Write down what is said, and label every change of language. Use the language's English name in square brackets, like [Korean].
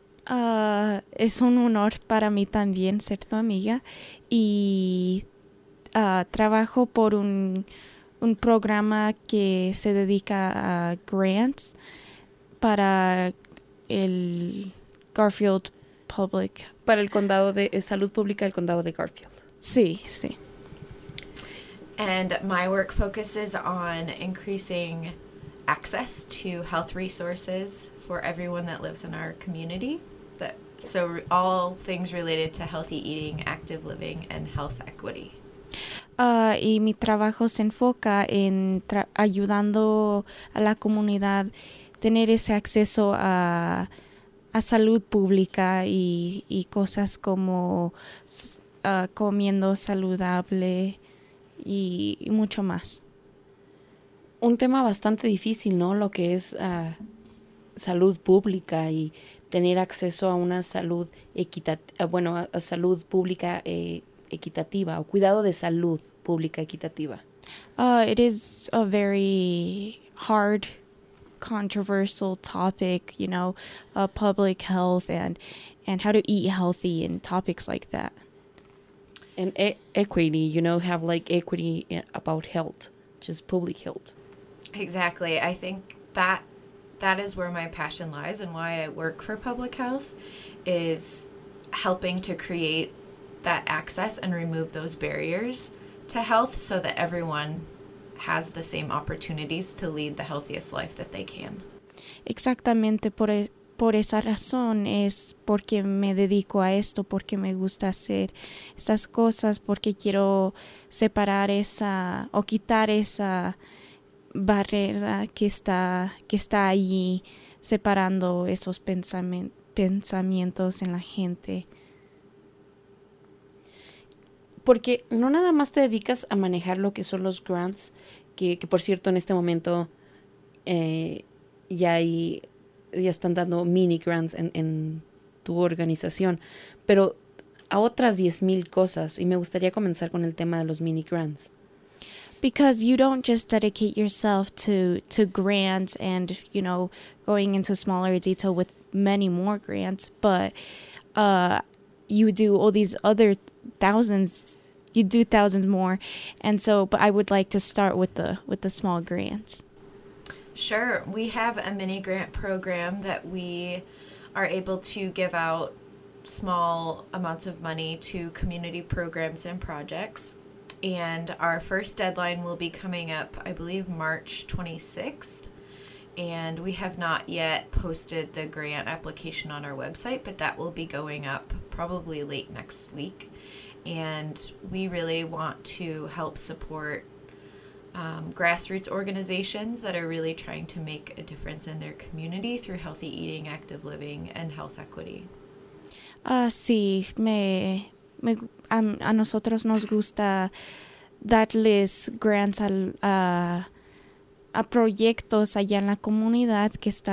[Spanish] Es un honor para mí también ser tu amiga y trabajo por un programa que se dedica a grants para el Garfield Public. Para el condado de salud pública del condado de Garfield. Sí, sí. [English] And my work focuses on increasing access to health resources for everyone that lives in our community. So all things related to healthy eating, active living, and health equity. [Spanish] Y mi trabajo se enfoca en ayudando a la comunidad tener ese acceso a salud pública y cosas como comiendo saludable y mucho más. Un tema bastante difícil, ¿no? Lo que es salud pública y tener acceso a una salud a salud pública equitativa o cuidado de salud pública equitativa. [English] It is a very hard, controversial topic, you know, public health and how to eat healthy and topics like that. And equity, you know, have like equity about health, just public health. Exactly. I think that is where my passion lies and why I work for public health, is helping to create that access and remove those barriers to health so that everyone has the same opportunities to lead the healthiest life that they can. [Spanish] Exactamente, por esa razón es porque me dedico a esto, porque me gusta hacer estas cosas, porque quiero separar esa o quitar esa barrera que está allí separando esos pensamientos en la gente. Porque no nada más te dedicas a manejar lo que son los grants, que por cierto en este momento ya están dando mini grants en tu organización, pero a otras 10,000 cosas, y me gustaría comenzar con el tema de los mini grants. [English] Because you don't just dedicate yourself to grants and, you know, going into smaller detail with many more grants, but you do all these other thousands more. And so, but I would like to start with the small grants. Sure. We have a mini grant program that we are able to give out small amounts of money to community programs and projects. And our first deadline will be coming up, I believe, March 26th. And we have not yet posted the grant application on our website, but that will be going up probably late next week. And we really want to help support grassroots organizations that are really trying to make a difference in their community through healthy eating, active living, and health equity. [Spanish] Sí, a nosotros nos gusta darles grants a proyectos allá en la comunidad que